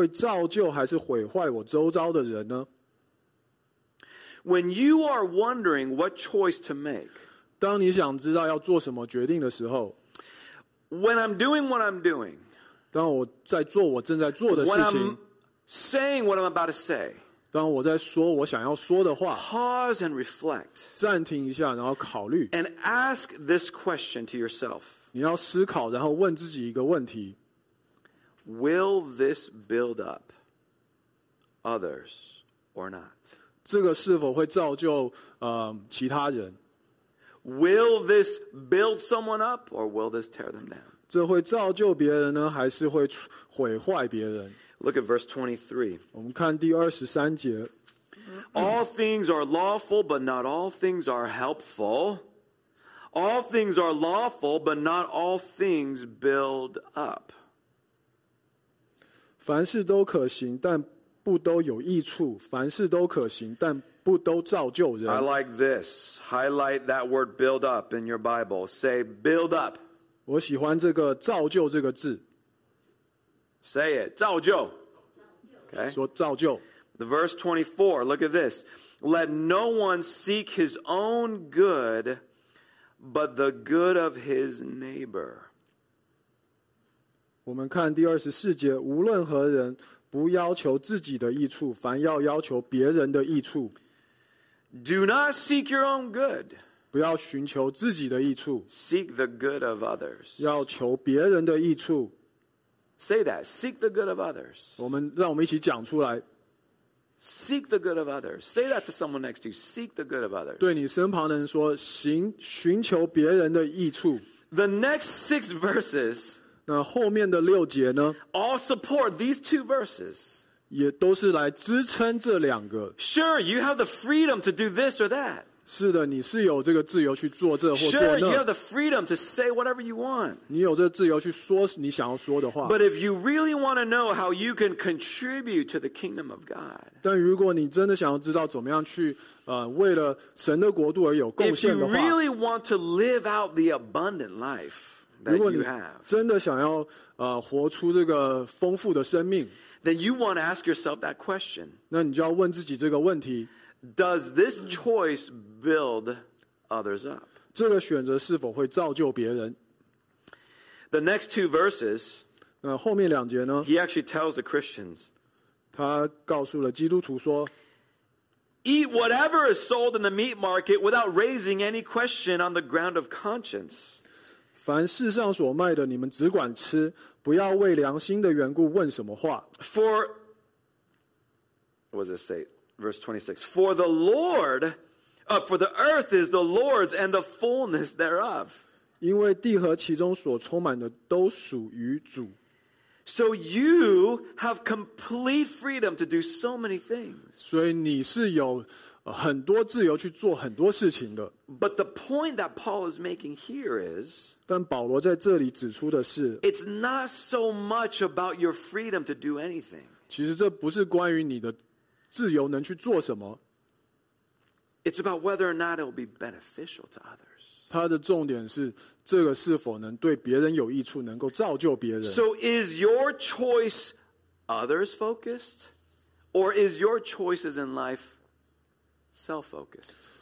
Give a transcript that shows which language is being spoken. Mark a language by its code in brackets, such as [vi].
[zh] 第二个问题就是这个选择会造就还是毁坏我周遭的人呢? [en] When you are wondering what choice to make, [zh] 当你想知道要做什么决定的时候, [en] when I'm doing what I'm doing, [zh] 当我在做我正在做的事情, [en] when I'm saying what I'm about to say, [zh] 当我在说我想要说的话, [en] pause and reflect, [zh] 暂停一下然后考虑, [en] and ask this question to yourself. [zh] 你要思考然后问自己一个问题, [en] will this build up others or not? [zh] 这个是否会造就, 其他人? [en] Will this build someone up or will this tear them down? [zh] 这会造就别人呢, 还是会毁坏别人? [en] Look at verse 23. [zh] 我们看第23节。 [en] All things are lawful, but not all things are helpful. All things are lawful, but not all things build up. [zh] 凡事都可行,但不都有益处,凡事都可行,但不都造就人。 [en] I like this. Highlight that word build up in your Bible. Say build up. [zh] 我喜欢这个造就这个字。 [en] Say it, 造就。 [zh] Okay. 说造就。 [en] The verse 24, look at this. Let no one seek his own good, but the good of his neighbor. [zh] 我们看第24节, 无论何人, 不要求自己的益处, 凡要求别人的益处。 [en] Do not seek your own good. [zh] 不要寻求自己的益处。 [en] Seek the good of others. [zh] 要求别人的益处。 [en] Say that, seek the good of others. [zh] 让我们一起讲出来。 [en] Seek the good of others. Say that to someone next to you, seek the good of others. [zh] 对你身旁的人说, 寻求别人的益处。 [en] The next six verses, [zh] 那后面的六节呢? [en] All support these two verses. [zh] 也都是来支撑这两个。 [en] Sure, you have the freedom to do this or that. [zh] 是的, 你是有这个自由去做这或做那。 [en] Sure, you have the freedom to say whatever you want. [zh] 你有这自由去说你想要说的话。 [en] But if you really want to know how you can contribute to the kingdom of God, [zh] 但如果你真的想要知道怎么样去, 为了神的国度而有贡献的话, [en] if you really want to live out the abundant life, that you have, [zh] 真的想要, 活出这个丰富的生命, [en] then you want to ask yourself that question. [zh] 那你就要问自己这个问题, [en] does this choice build others up? [zh] 这个选择是否会造就别人? [en] The next two verses, [zh] 那后面两节呢? [en] He actually tells the Christians, [zh] 他告诉了基督徒说, [en] eat whatever is sold in the meat market without raising any question on the ground of conscience. [zh] 凡世上所卖的你们只管吃, 不要为良心的缘故问什么话。 [en] For, what does it say? Verse 26. For the Lord, for the earth is the Lord's and the fullness thereof. [zh] 因为地和其中所充满的都属于主。 [en] So you have complete freedom to do so many things. [zh] 所以你是有, 很多自由去做很多事情的。 [en] But the point that Paul is making here is, [zh] 但保罗在这里指出的是, [en] it's not so much about your freedom to do anything. [zh] 其实这不是关于你的自由能去做什么。 [en] It's about whether or not it will be beneficial to others. [zh] 它的重点是这个是否能对别人有益处，能够造就别人。 [en] So is your choice others focused, or is your choices in life self focused?